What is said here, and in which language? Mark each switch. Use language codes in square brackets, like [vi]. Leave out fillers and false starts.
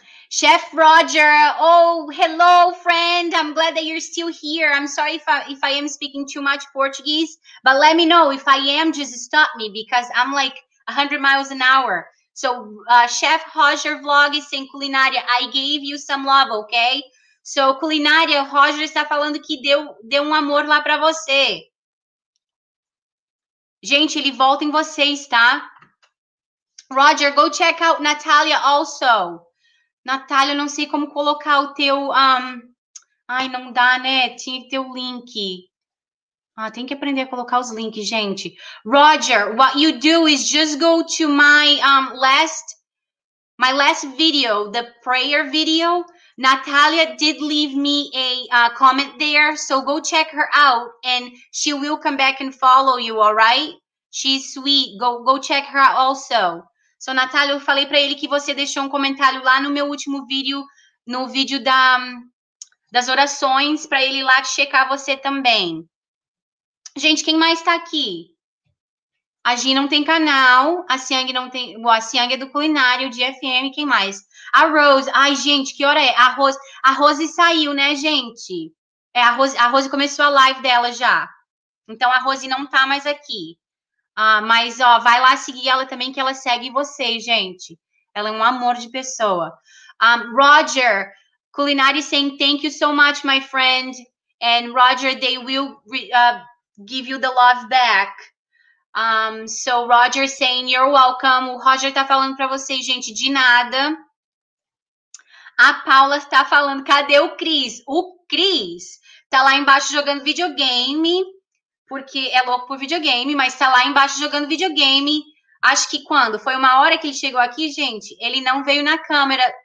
[en] Chef Roger, oh, hello, friend. I'm glad that you're still here. I'm sorry if I am speaking too much Portuguese, but let me know if I am, just stop me because I'm like 100 miles an hour. So, Chef Roger Vlog is saying, Culinária, I gave you some love, okay? [pt] So, Culinária, Roger está falando que deu um amor lá para você. Gente, ele volta em vocês, tá? Roger, [en] go check out Natalia also. [pt] Natalia, não sei como colocar o teu. Ai, não dá, né? Tinha que ter o link. Ah, tem que aprender a colocar os links, gente. [en] Roger, what you do is just go to my last video, the prayer video. Natalia did leave me a comment there, so go check her out and she will come back and follow you, all right? She's sweet. Go check her out also. [pt] So, Natália, eu falei para ele que você deixou um comentário lá no meu último vídeo, no vídeo das orações, para ele ir lá checar você também. Gente, quem mais está aqui? A Gi não tem canal, a Siang não tem. Bom, a Siang é do culinário, de FM, quem mais? A Rose, ai, gente, que hora é? A Rose saiu, né, gente? É, a Rose começou a live dela já. Então, a Rose não tá mais aqui. Ah, mas ó, vai lá seguir ela também, que ela segue vocês, gente. Ela é um amor de pessoa. [en] Roger, Culinari saying thank you so much, my friend. And Roger, they will give you the love back. So Roger saying you're welcome. [pt] O Roger tá falando para vocês, gente, de nada. A Paula está falando, cadê o Cris? O Cris tá lá embaixo jogando videogame, porque é louco por videogame, mas tá lá embaixo jogando videogame. Acho que quando? Foi uma hora que ele chegou aqui, gente? Ele não veio na câmera.